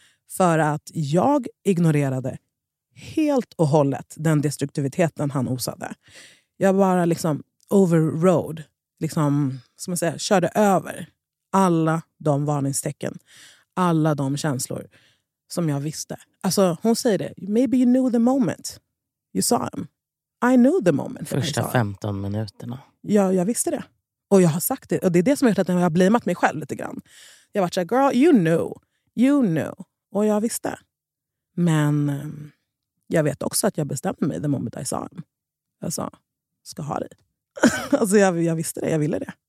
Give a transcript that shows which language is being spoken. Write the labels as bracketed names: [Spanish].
[Swedish] För att jag ignorerade helt och hållet den destruktiviteten han osade. Jag bara liksom overrode, liksom, som man säger, körde över alla de varningstecken, alla de känslor som jag visste. Alltså hon säger det, [English] maybe you knew the moment you saw him. I knew the moment. [Swedish] Första 15 minuterna. Ja, jag visste det. Och jag har sagt det. Och det är det som har gjort att jag har blimat mig själv lite grann. Jag har varit såhär, [English] girl, you knew. You knew. [Swedish] Och jag visste. Men jag vet också att jag bestämde mig [English] the moment I saw him. [Swedish] Jag sa, ska ha det. Alltså jag visste det, jag ville det.